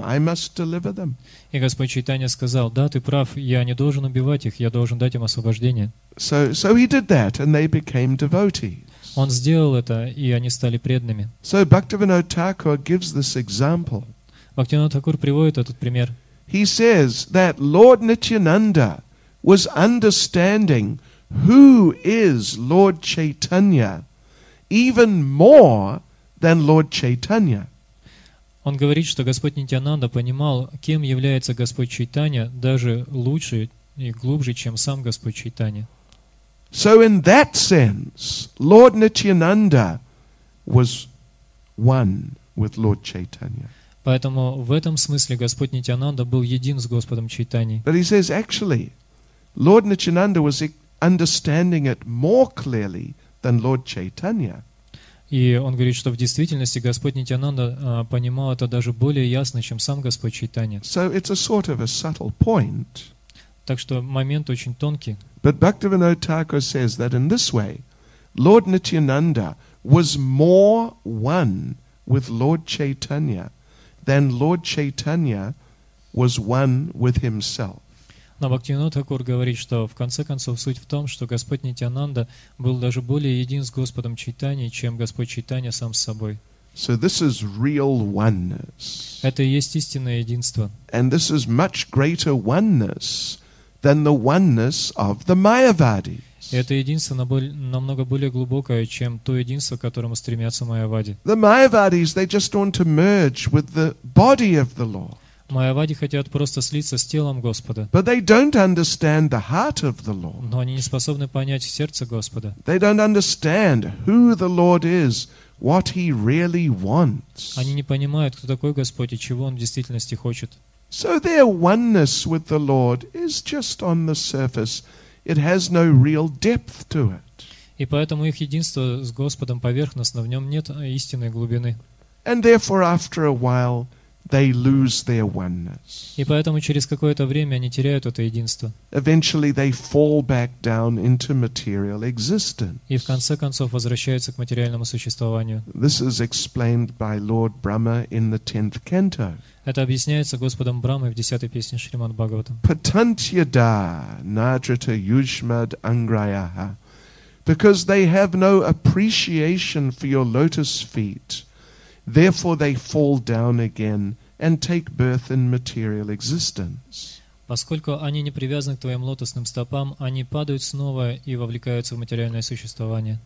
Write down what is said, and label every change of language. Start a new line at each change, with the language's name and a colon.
English: I must deliver them.
Russian: И Господь Чайтанья сказал: да, ты прав, я не должен убивать их, я должен дать им освобождение.
English: So he did that, and they became devotees.
Russian: Он сделал это, и они стали преданными.
English: So Bhaktivinoda Thakur gives this example.
Russian: Бхактивинода Тхакур приводит этот пример.
English: He says that Lord Nityananda was understanding who is Lord Chaitanya even more than Lord Chaitanya.
Russian: Он говорит, что Господь Нитьянанда понимал, кем является Господь Чайтанья, даже лучше и глубже, чем сам Господь Чайтанья.
English: So in that sense, Lord Nityananda was one with Lord Chaitanya.
Russian: Поэтому в этом смысле Господь Нитьянанда был един с Господом Чайтаньей.
English: But he says, actually, Lord Nityananda was understanding it more clearly than Lord Chaitanya.
Russian: И он говорит, что в действительности Господь Нитьянанда понимал это даже более ясно, чем сам Господь Чайтанья.
English: So it's a sort of a subtle point.
Russian: Так что момент очень тонкий.
English: But Bhaktivinoda Thakur says that in this way, Lord Nityananda was more one with Lord Chaitanya than Lord Chaitanya was one with himself.
Russian: Но Бхактивинода Тхакур говорит, что в конце концов суть в том, что Господь Нитьянанда был даже более един с Господом Чайтаньей, чем Господь Чайтанья сам с собой.
English: So this is real oneness.
Russian: Это и есть истинное единство.
English: And this is much greater oneness than the oneness of the Mayavadis.
Russian: Это единство намного более глубокое, чем то единство, к которому стремятся майявади.
English: The Mayavadis, they just want to merge with the body of the Lord.
Russian: Майявади хотят просто слиться с телом Господа.
English: But they don't understand the heart of the Lord.
Russian: Но они не способны понять сердце Господа.
English: They don't understand who the Lord is, what he really wants.
Russian: Они не понимают, кто такой Господь и чего он в действительности хочет.
English: So their oneness with the Lord is just on the surface. It has no real depth to it.
Russian: И поэтому их единство с Господом поверхностно, в нем нет истинной глубины.
English: And therefore after a while they lose their oneness.
Russian: И поэтому через какое-то время они теряют это единство.
English: Eventually they fall back down into material existence.
Russian: И в конце концов возвращаются к материальному существованию.
English: This is explained by Lord Brahma in the 10th canto.
Russian: Это объясняется Господом Брахмой в 10-й песне Шримад Бхагаватам.
Sanskrit: Patantyada nadrita yushmad angrayaha.
English: Because they have no appreciation for your lotus feet. Therefore they fall down again and take birth in material existence.
Russian: Поскольку они не привязаны к твоим лотосным стопам, они падают снова и вовлекаются в материальное существование.